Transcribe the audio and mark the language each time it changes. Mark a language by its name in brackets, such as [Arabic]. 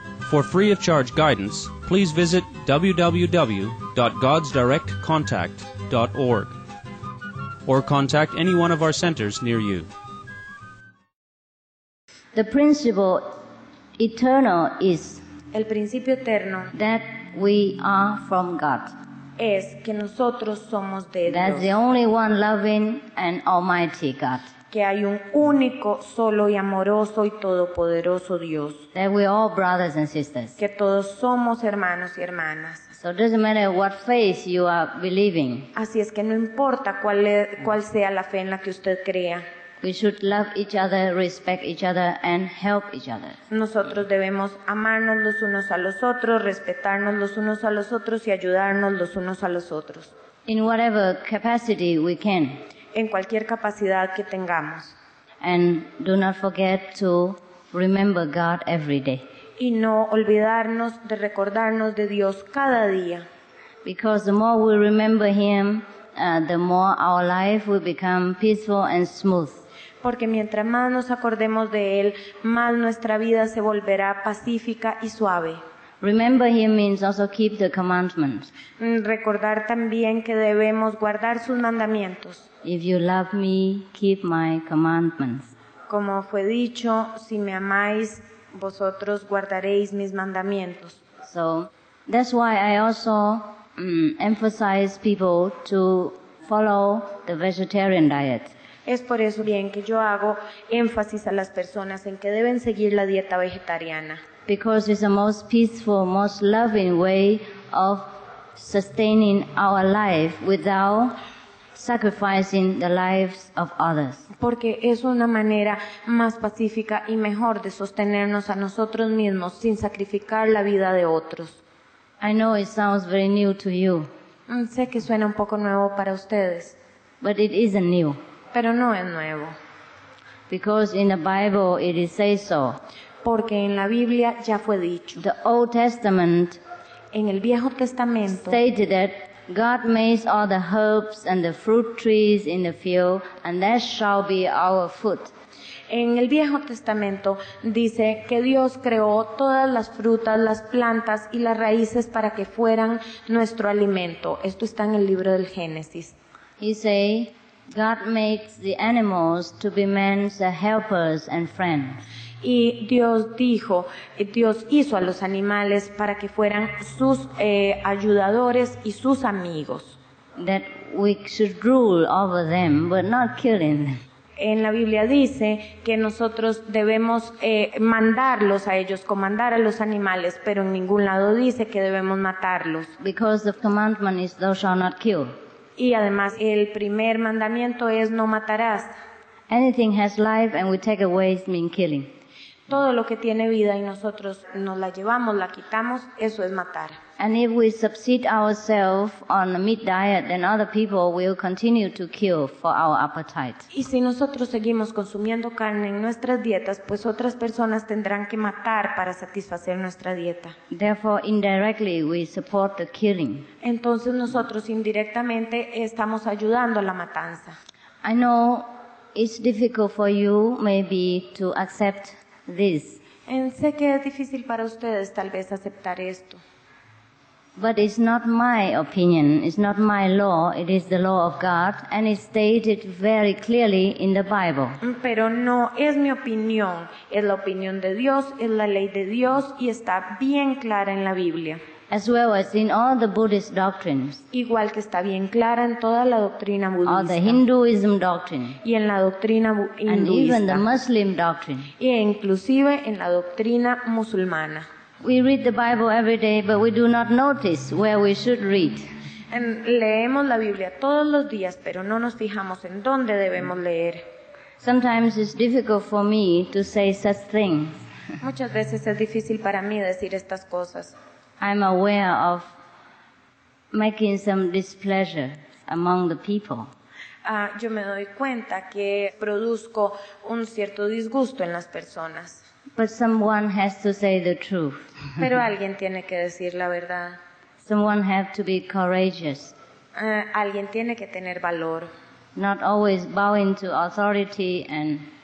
[English] For free of charge guidance, please visit www.godsdirectcontact.org or contact any one of our centers near you. The principle eternal is [Spanish] el principio eterno [English] that we are from God. [Spanish] Es que nosotros somos de Dios. [English] That's the only one loving and almighty God. [Spanish] Que hay un único, solo y amoroso y todopoderoso Dios. [English] That we're all brothers and sisters. [Spanish] Que todos somos hermanos y hermanas. [English] So it doesn't matter what faith you are believing. [Spanish] Así es que no importa cuál sea la fe en la que usted crea. [English] We should love each other, respect each other, and help each other. [Spanish] Nosotros debemos amarnos los unos a los otros, respetarnos los unos a los otros y ayudarnos los unos a los otros. [English] In whatever capacity we can. [Spanish] En cualquier capacidad que tengamos. [English] And do not forget to remember God every day. [Spanish] Y no olvidarnos de recordarnos de Dios cada día. [English] Because the more we remember Him, the more our life will become peaceful and smooth. [Spanish] Porque mientras más nos acordemos de Él, más nuestra vida se volverá pacífica y suave. [English] Remember Him means also keep the commandments. [Spanish] Recordar también que debemos guardar sus mandamientos. [English] If you love me, keep my commandments. [Spanish] Como fue dicho, si me amáis, vosotros guardaréis mis mandamientos. [English] So, that's why I also emphasize people to follow the vegetarian diet. [Spanish] Es por eso bien que yo hago énfasis a las personas en que deben seguir la dieta vegetariana. [English] Because it's the most peaceful, most loving way of sustaining our life without sacrificing the lives of others. [Spanish] Porque es una manera más pacífica y mejor de sostenernos a nosotros mismos sin sacrificar la vida de otros. [English] I know it sounds very new to you. [Spanish] Sé que suena un poco nuevo para ustedes. [English] But it isn't new. [Spanish] Pero no es nuevo. [English] Because in the Bible it is said so. [Spanish] Porque en la Biblia ya fue dicho. [English] The Old Testament. [Spanish] En el Viejo Testamento. [English] Stated that God makes all the herbs and the fruit trees in the field, and that shall be our food. [Spanish] En el Viejo Testamento dice que Dios creó todas las frutas, las plantas y las raíces para que fueran nuestro alimento. Esto está en el libro del Génesis. [English] He say, God makes the animals to be man's helpers and friends. [Spanish] Y Dios dijo, Dios hizo a los animales para que fueran sus ayudadores y sus amigos. [English] That we should rule over them, but not killing them. [Spanish] En la Biblia dice que nosotros debemos mandarlos a ellos, comandar a los animales, pero en ningún lado dice que debemos matarlos. [English] Because the commandment is thou shalt not kill. [Spanish] Y además el primer mandamiento es no matarás. [English] Anything has life and we take away it means killing. [Spanish] Todo lo que tiene vida y nosotros nos la llevamos, la quitamos, eso es matar. [English] And if we subsist ourselves on a meat diet, then other people will continue to kill for our appetite. [Spanish] Y si nosotros seguimos consumiendo carne en nuestras dietas, pues otras personas tendrán que matar para satisfacer nuestra dieta. [English] Therefore, indirectly, we support the killing. [Spanish] Entonces nosotros indirectamente estamos ayudando a la matanza. [English] I know it's difficult for you maybe to accept this. [Spanish] Sé que es difícil para ustedes tal vez aceptar esto. [English] But it's not my opinion, it's not my law, it is the law of God, and it's stated very clearly in the Bible. [Spanish] Pero no es mi opinión, es la opinión de Dios, es la ley de Dios, y está bien clara en la Biblia. [English] As well as in all the Buddhist doctrines. [Spanish] Igual que está bien clara en toda la doctrina budista. [English] All the Hinduism doctrine. [Spanish] Y en la doctrina hinduista. [English] And even the Muslim doctrine. [Spanish] Y inclusive en la doctrina musulmana. [English] We read the Bible every day, but we do not notice where we should read. [Spanish] Leemos la Biblia todos los días, pero no nos fijamos en dónde debemos leer. [English] Sometimes it's difficult for me to say such things. [Spanish] Muchas veces es difícil para mí decir estas cosas. [English] I'm aware of making some displeasure among the people. [Spanish] Yo me doy cuenta que produzco un cierto disgusto en las personas. [English] But someone has to say the truth. [Spanish] Pero alguien tiene que decir la verdad. [English] Someone has to be courageous. [Spanish] Alguien tiene que tener valor. [English] Not always bowing to authority and